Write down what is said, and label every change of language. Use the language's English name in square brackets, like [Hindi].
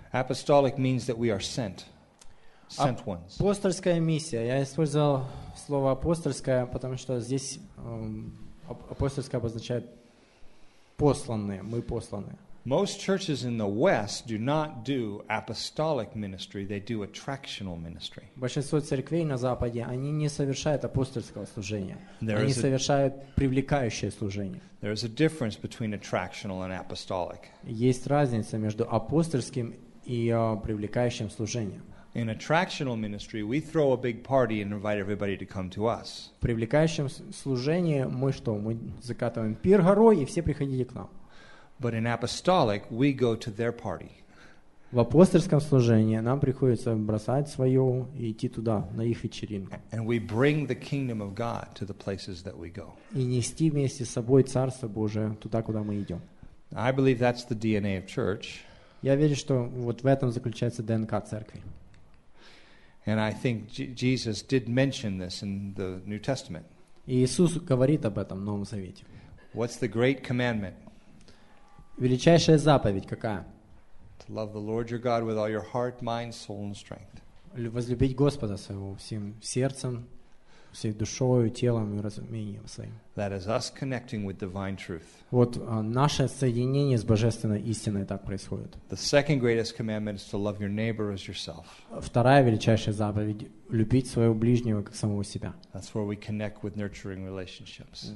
[English] Apostolic means that we are sent. Sent ones. [Russian] Апостольская миссия. Я использовал слово апостольская, потому что здесь апостольская обозначает посланные, мы посланные. [English] Most churches in the West do not do apostolic ministry, they do attractional ministry. [Russian] Большинство церквей на Западе, они не совершают апостольского служения. Они совершают привлекающее служение. [English] There is a difference between attractional and apostolic. [Russian] Есть разница между апостольским и привлекающим служением. [English] In attractional ministry, we throw a big party and invite everybody to come to us. [Russian] В привлекающем служении мы что? Мы закатываем пир горой и все приходите к нам. [English] But in apostolic, we go to their party. [Russian] В апостольском служении нам приходится бросать свое и идти туда, на их вечеринку. [English] And we bring the kingdom of God to the places that we go. [Russian] И нести вместе с собой Царство Божие туда, куда мы идем. [English] I believe that's the DNA of church. [Russian] Я верю, что вот в этом заключается ДНК церкви. [English] And I think Jesus did mention this in the New Testament. [Russian] Иисус говорит об этом в Новом Завете. [English] What's the great commandment? [Russian] Величайшая заповедь какая? [English] To love the Lord your God with all your heart, mind, soul, and strength. [Russian] Возлюбить Господа своего всем сердцем, всей душою, телом и разумением своим. [English] That is us connecting with divine truth. [Russian] Вот наше соединение с божественной истиной так происходит. [English] The second greatest commandment is to love your neighbor as yourself. [Russian] Вторая величайшая заповедь — любить своего ближнего как самого себя. [English] That's where we connect with nurturing relationships.